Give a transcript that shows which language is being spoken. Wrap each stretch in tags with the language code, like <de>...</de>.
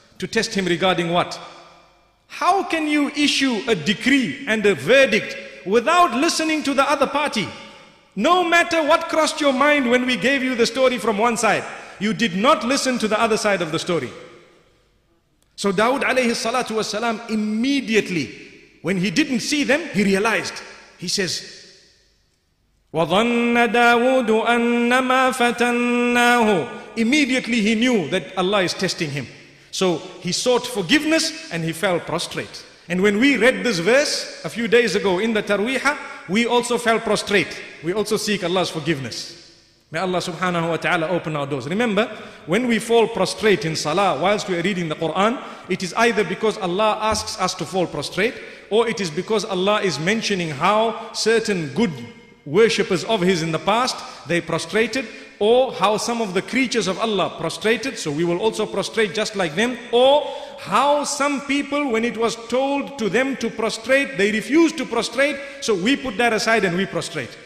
<en>To test him regarding what? How can you issue a decree and a verdict without listening to the other party? No matter what crossed your mind when we gave you the story from one side, you did not listen to the other side of the story. So Dawood alayhi salatu wa salam, immediately, when he didn't see them, he realized. He says,</en> <ar>وَظَنَّ دَاوُودُ أَنَّمَا فَتَنَّاهُ.</ar> <en>Immediately he knew that Allah is testing him. So he sought forgiveness and he fell prostrate. And when we read this verse a few days ago in the Tarweeha, we also fell prostrate. We also seek Allah's forgiveness. May Allah subhanahu wa ta'ala open our doors. Remember, when we fall prostrate in salah whilst we are reading the Quran, it is either because Allah asks us to fall prostrate, or it is because Allah is mentioning how certain good worshippers of his in the past, they prostrated, or how some of the creatures of Allah prostrated, so we will also prostrate just like them, or how some people, when it was told to them to prostrate, they refused to prostrate, so we put that aside and we prostrate.</en>